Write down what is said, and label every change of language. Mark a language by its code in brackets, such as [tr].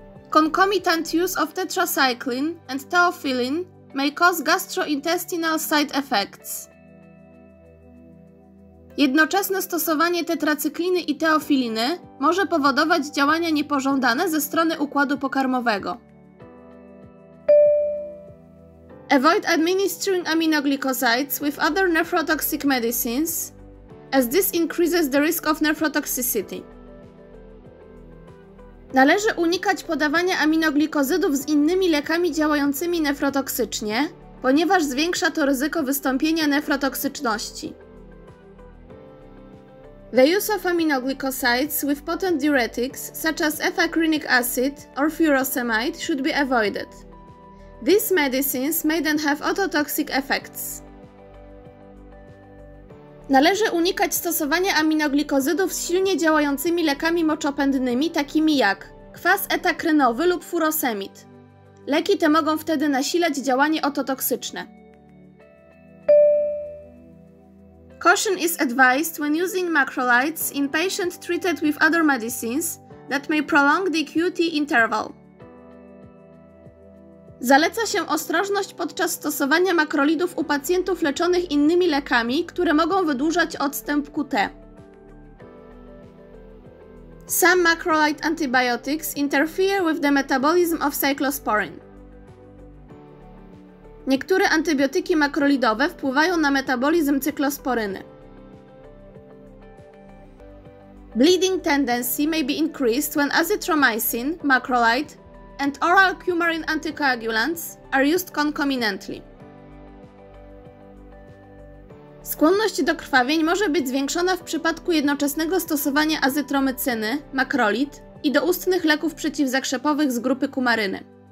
[en] Concomitant use of tetracycline and theophylline may cause gastrointestinal side effects. [pl] Jednoczesne stosowanie tetracykliny i teofiliny może powodować działania niepożądane ze strony układu pokarmowego. [en] Avoid administering aminoglycosides with other nephrotoxic medicines, as this increases the risk of nephrotoxicity. [pl] Należy unikać podawania aminoglikozydów z innymi lekami działającymi nefrotoksycznie, ponieważ zwiększa to ryzyko wystąpienia nefrotoksyczności. [en] The use of aminoglycosides with potent diuretics, such as ethacrynic acid or furosemide, should be avoided. These medicines may then have ototoxic effects. [pl] Należy unikać stosowania aminoglikozydów z silnie działającymi lekami moczopędnymi, takimi jak kwas etakrynowy lub furosemid. Leki te mogą wtedy nasilać działanie ototoksyczne. [en] Caution is advised when using macrolides in patients treated with other medicines that may prolong the QT interval. [pl] Zaleca się ostrożność podczas stosowania makrolidów u pacjentów leczonych innymi lekami, które mogą wydłużać odstęp QT. [en] Some macrolide antibiotics interfere with the metabolism of cyclosporin. [pl] Niektóre antybiotyki makrolidowe wpływają na metabolizm cyklosporyny. [en] Bleeding tendency may be increased when azithromycin, macrolide, and oral cumarin anticoagulants are used concomitantly. [pl] Skłonność do krwawień może być zwiększona w przypadku jednoczesnego stosowania azytromycyny, makrolid i doustnych leków przeciwzakrzepowych z grupy kumaryny.